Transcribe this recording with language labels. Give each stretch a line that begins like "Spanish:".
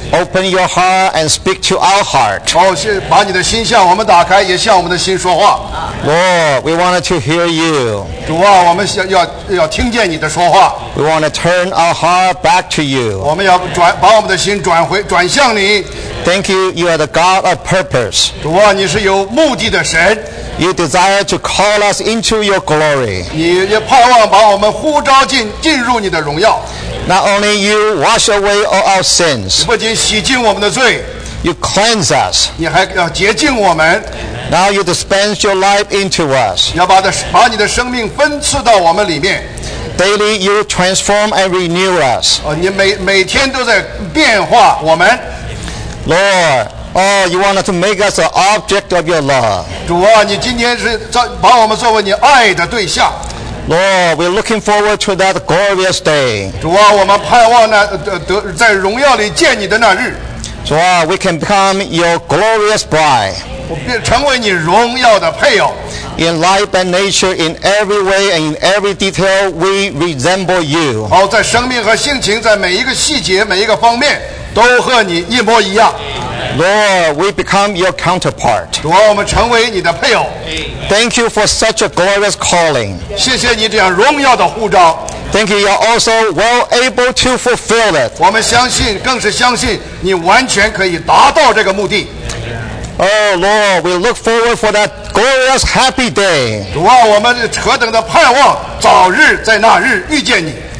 English: Open your heart and speak to our heart.
Chinese: 哦，是把你的心向我们打开，也向我们的心说话。
English: Lord, we wanted to hear you.
Chinese: 主啊，我们要听见你的说话。
English: We want to turn our heart back to you.
Chinese: 我们要把我们的心转向你。
English: Thank you. You are the God of purpose.
Chinese: 主啊，你是有目的的神。
English: You desire to call us into your glory.
Chinese: 你也盼望把我们呼召进入你的荣耀。
English: Not only you wash away all our sins.
Chinese: 不仅洗净我们的罪。
English: You cleanse us.
Chinese: 你还要洁净我们。
English: Now you dispense your life into us.
Chinese: 要把你的生命分赐到我们里面。
English: Daily you transform and renew us.
Chinese: 你每天都在变化我们。
English: Lord, you wanted to make us an object of your love.
Chinese: 主啊，你今天是把我们作为你爱的对象。
English: Lord, we're looking forward to that glorious day.
Chinese: 主啊，我们盼望那在荣耀里见你的那日。主啊
English: ，we can become your glorious bride.
Chinese: 我变成为你荣耀的配偶。
English: In life and nature, in every way and in every detail, we resemble you.
Chinese: 好，在生命和性情，在每一个细节、每一个方面。都和你一模一样。
English: Lord, we become your counterpart.
Chinese: 主，我们成为你的配偶。
English: Thank you for such a glorious calling.
Chinese: 谢谢你这样荣耀的呼召。
English: Thank you, you're also well able to fulfill it.
Chinese: 我们相信，更是相信你完全可以达到这个目的。
English: Oh Lord, we look forward for that glorious happy day.
Chinese: 主啊，我们何等的盼望，早日在那日遇见你。